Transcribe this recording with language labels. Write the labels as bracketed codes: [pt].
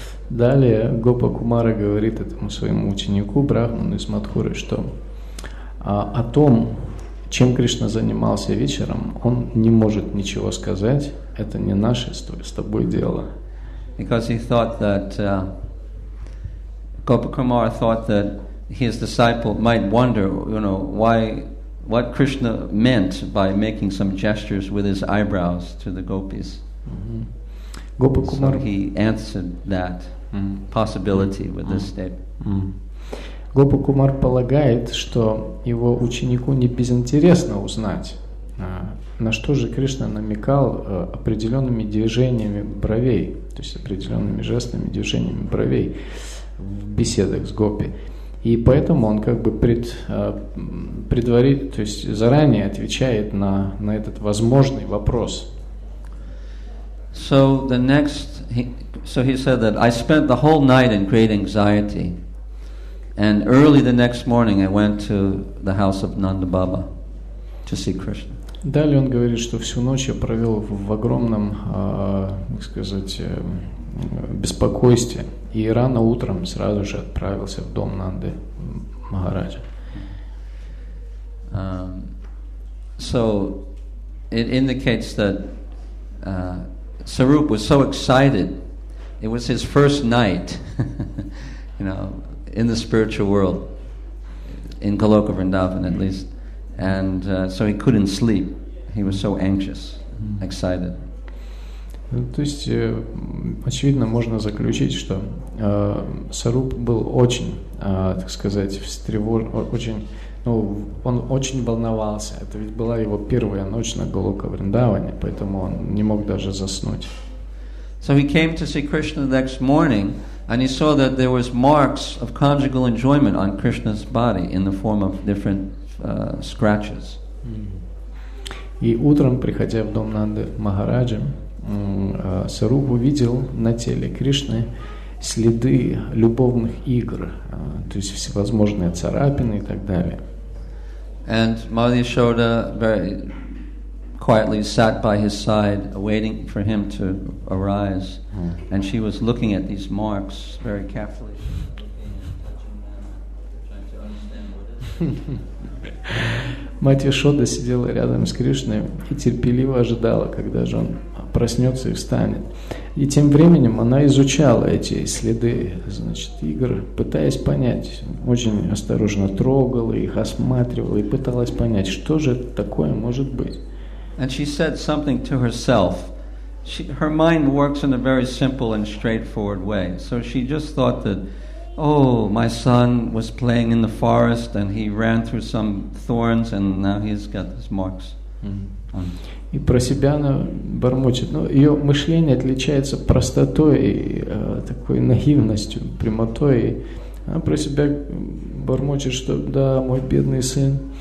[ru] Далее Гопа Кумара говорит этому своему ученику Брахману из Матхуры, что о том, чем Кришна занимался вечером, он не может ничего сказать, это не наше с тобой дело. [en] Because he thought that Gopakumara thought that his disciple might wonder, you know, why, what Krishna meant by making some gestures with his eyebrows to the gopis. Gopakumara, so he answered that possibility with this statement. [ru] Гопакумар полагает, что его ученику не безинтересно узнать, на что же Кришна намекал определенными движениями бровей, то есть определенными жестами, движениями бровей в беседах с гопи. И поэтому он как бы предварит, то есть заранее отвечает на этот возможный вопрос. [en] So the next, so he said that I spent the whole night in great anxiety. And early the next morning I went to the house of Nanda Baba to see Krishna. [ru] Далее он говорит, что всю ночь я провел в огромном, как сказать, беспокойстве, и рано утром сразу же отправился в дом Нанды Махараджа. [en] So it indicates that Sarup was so excited. It was his first night. You know, in the spiritual world, in Goloka Vrindavan at least, and so he couldn't sleep. He was so anxious, excited. [ru] То есть очевидно можно заключить, что Саруп был очень, так сказать, встревожен, очень, ну, он очень волновался. Это ведь была его первая ночь на Голока Вриндаване, поэтому он не мог даже заснуть. [en] So he came to see Krishna the next morning. And he saw that there was marks of conjugal enjoyment on Krishna's body in the form of different scratches. [ru] И утром, приходя в дом Нанды Махараджа, Саруп увидел на теле Кришны следы любовных игр, то есть всевозможные царапины и так далее. [en] And Mother Yashoda very quietly sat by his side waiting for him to arise, and she was looking at these marks very carefully. [ru] Мать Яшода сидела рядом с Кришной и терпеливо ожидала, когда же он проснется и встанет. И тем временем она изучала эти следы, значит, игр, пытаясь понять, очень осторожно трогала их, осматривала и пыталась понять, что же такое может быть. [en] And she said something to herself. Her mind works in a very simple and straightforward way. So she just thought that, oh, my son was playing in the forest and he ran through some thorns and now he's got these marks. [ru] И про себя она бормочет. Ну, ее мышление отличается простотой и такой наивностью, прямотой. Она про себя бормочет, что да, мой бедный сын.